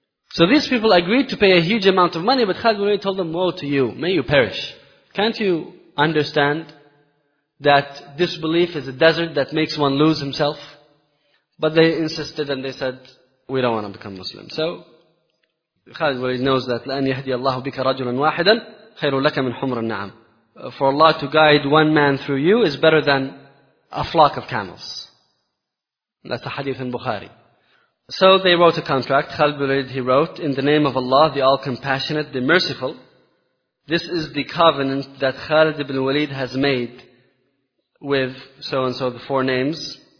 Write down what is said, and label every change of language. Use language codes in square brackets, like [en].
[en] So these people agreed to pay a huge amount of money, but Khalid Walid told them, woe to you, may you perish. Can't you understand that disbelief is a desert that makes one lose himself? But they insisted and they said, we don't want to become Muslim. So Khalid Walid knows that, [ar] لَأَنْ يَهْدِيَ اللَّهُ بِكَ رَجُلًا وَاحِدًا خَيْرٌ لَكَ مِنْ حُمْرَ النَّعَمِ. [en] For Allah to guide one man through you is better than a flock of camels. That's a hadith in Bukhari. So they wrote a contract. Khalid Walid, he wrote, in the name of Allah, the All-Compassionate, the Merciful, this is the covenant that Khalid ibn Walid has made with so-and-so, the four names.